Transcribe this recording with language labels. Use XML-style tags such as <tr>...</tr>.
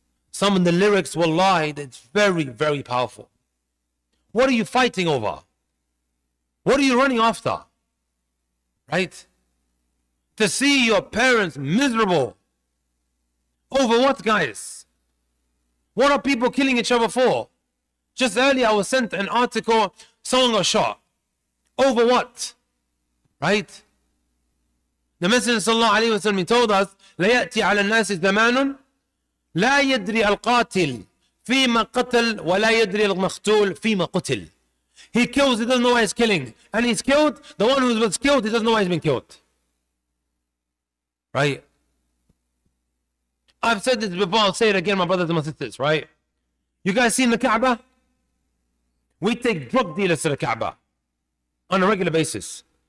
<en>Some of the lyrics, wallahi, it's very, very powerful. What are you fighting over? What are you running after? Right? To see your parents miserable. Over what, guys? What are people killing each other for? Just earlier, I was sent an article, someone got shot. Over what? Right? The Messenger sallallahu alayhi wa sallam told us,</en> <ar>لَيَأْتِي عَلَى النَّاسِ زَمَانٌ لَا يَدْرِي الْقَاتِلِ فِيمَا قَتَلْ وَلَا يَدْرِي الْمَخْتُولِ فِيمَا قُتِلْ.</ar> <en>He kills, he doesn't know why he's killing. And he's killed, the one who was killed, he doesn't know why he's been killed. Right? I've said this before, I'll say it again, my brothers and my sisters, right? You guys seen the Kaaba? We take drug dealers to the Kaaba on a regular basis.</en>